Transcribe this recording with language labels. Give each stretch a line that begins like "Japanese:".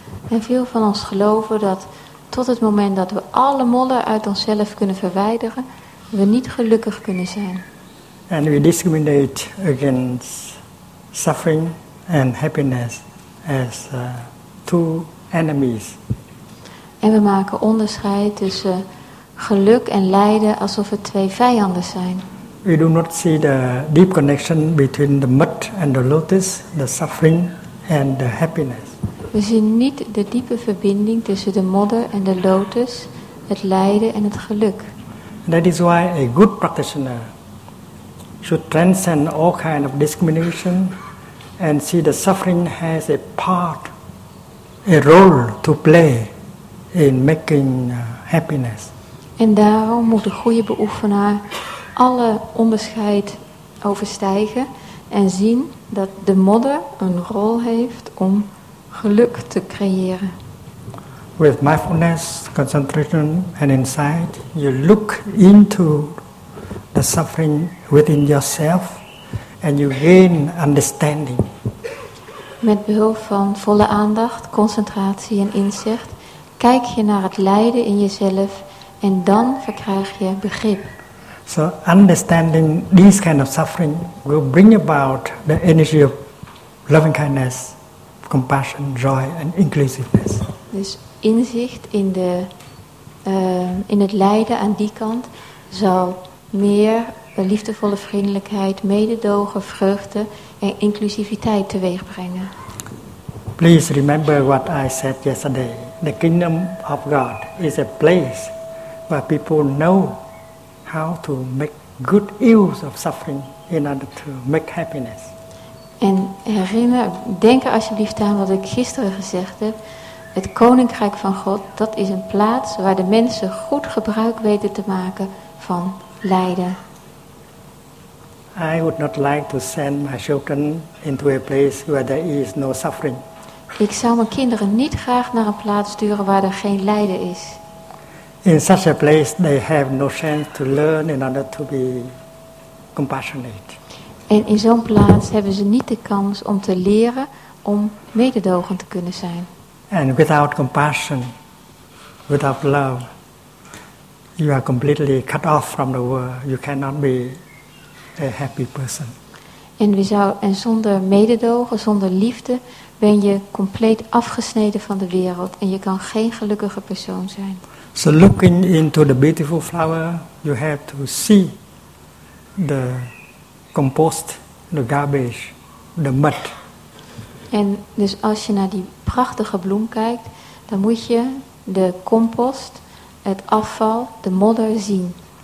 Dutch: En veel van ons geloven dat tot het moment dat we alle modder uit onszelf kunnen verwijderen, we niet gelukkig kunnen zijn.
English: And we discriminate against suffering and happiness as two enemies.
Dutch: En we maken onderscheid tussen geluk en lijden alsof het twee vijanden zijn.
English: We do not see the deep connection between the mud and the lotus, the suffering and the happiness.
Dutch: We zien niet de diepe verbinding tussen de modder en de lotus, het lijden en het geluk.
English: That is why a good practitioner should transcend all kind of discrimination and see the suffering has a part, a role to play in making happiness.
Dutch: En daarom moet een goede beoefenaar alle onderscheid overstijgen en zien dat de modder een rol heeft om geluk te creëren.
English: With mindfulness, concentration and insight, you look into the suffering within yourself and you gain understanding.
Dutch: Met behulp van volle aandacht, concentratie en inzicht kijk je naar het lijden in jezelf en dan verkrijg je begrip.
English: So understanding these kind of suffering will bring about the energy of loving kindness, compassion, joy and inclusiveness.
Dutch: Dus inzicht in de in het lijden aan die kant zal meer liefdevolle vriendelijkheid, mededogen, vreugde en inclusiviteit teweeg brengen.
English: Please remember what I said yesterday. The kingdom of God is a place where people know how to make good use of suffering in order to make happiness.
Dutch: En herinner, denk er alsjeblieft aan wat ik gisteren gezegd heb. Het koninkrijk van God, dat is een plaats waar de mensen goed gebruik weten te maken van lijden.
English: I would not like to send my children into a place where there is no suffering.
Dutch: Ik zou mijn kinderen niet graag naar een plaats sturen waar er geen lijden is.
English: In such a place they have no chance to learn in order to be compassionate.
Dutch: En in zo'n plaats hebben ze niet de kans om te leren om mededogend te kunnen zijn.
English: And without compassion, without love, you are completely cut off from the world. You cannot be a happy person.
Dutch: En zonder mededogen, zonder liefde, ben je compleet afgesneden van de wereld en je kan geen gelukkige persoon zijn.
English: So looking into the beautiful flower, you have to see the compost, the garbage, the mud.
Dutch: En dus als je naar die prachtige bloem kijkt, dan moet je de compost, het afval, de modder zien.